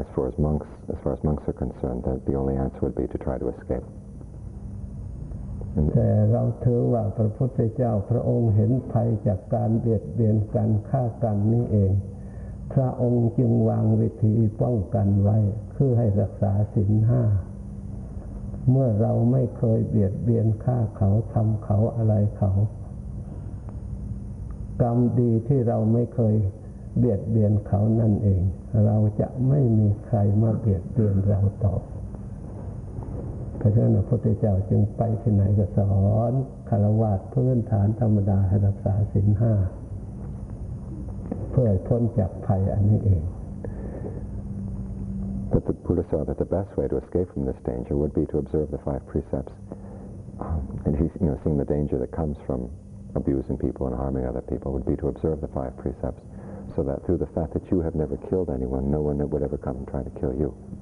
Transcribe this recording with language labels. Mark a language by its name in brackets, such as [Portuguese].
[English] As far as monks are concerned, that the only answer would be to try to escape. But we believe that the Buddha, the Lord, sees the danger from the beating, killing this. The Lord has set the way to prevent it, to keep the fifth. [Thai] เมื่อเราไม่เคยเบียดเบียนฆ่าเขาทำเขาอะไรเขากรรมดีที่เราไม่เคยเบียดเบียนเขานั่นเองเราจะไม่มีใครมาเบียดเบียนเราต่อเพราะฉะนั้นพระพุทธเจ้าจึงไปที่ไหนก็สอนฆราวาสพื้นฐานธรรมดาให้รักษาศีลห้าเพื่อพ้นจากภัยอันนี้เอง [English] But the Buddha saw that the best way to escape from this danger would be to observe the five precepts. And he, you know, seeing the danger that comes from abusing people and harming other people, would be to observe the five precepts so that through the fact that you have never killed anyone, no one would ever come and try to kill you.